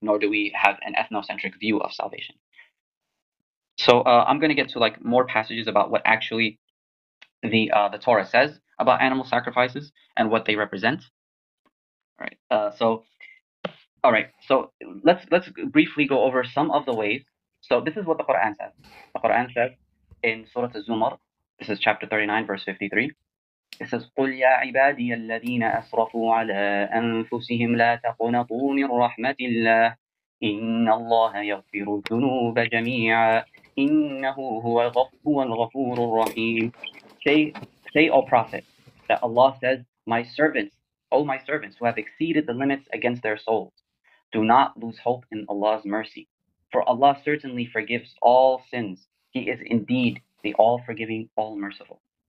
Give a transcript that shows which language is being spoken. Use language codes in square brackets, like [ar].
[en] Nor do we have an ethnocentric view of salvation. So I'm going to get to like more passages about what actually the Torah says about animal sacrifices and what they represent. All right, so let's briefly go over some of the ways. So this is what the Quran says. The Quran says in Surah Az-Zumar, this is chapter 39, verse 53. It says, [ar] قُلْ يَا عِبَادِيَ الَّذِينَ أَسْرَفُوا عَلَىٰ أَنفُسِهِمْ لَا تَقْنَطُوا مِنْ رَحْمَةِ اللَّهِ إِنَّ اللَّهَ يَغْفِرُ الذُّنُوبَ جَمِيعًا إِنَّهُ هُوَ الْغَفُورُ الْغَفُورُ الرَّحِيمُ. [en] Say, O Prophet, that Allah says, my servants, O my servants who have exceeded the limits against their souls, do not lose hope in Allah's mercy. For Allah certainly forgives all sins. He is indeed the all-forgiving, all-merciful.